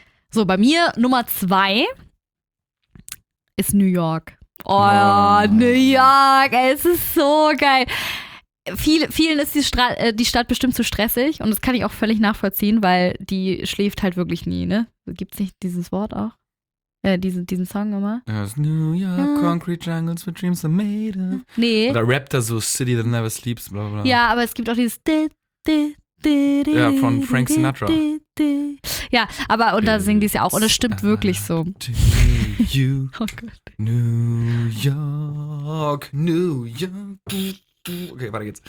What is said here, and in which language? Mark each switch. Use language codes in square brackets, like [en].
[de] So, bei mir Nummer 2 ist New York. Oh, ja, New York, es ist so geil. Vielen ist die Stadt bestimmt zu stressig und das kann ich auch völlig nachvollziehen, weil die schläft halt wirklich nie, ne? Gibt es nicht dieses Wort auch? Diesen Song immer? [en] There's New York, concrete jungles where dreams are made of. [de] Nee. Oder rappt er so, [en] City that never sleeps, [de] bla bla. Ja, aber es gibt auch dieses... Ja, von Frank Sinatra. Ja, aber und da singen die es ja auch und das stimmt wirklich so. You. Oh Gott. New York. Okay, weiter geht's.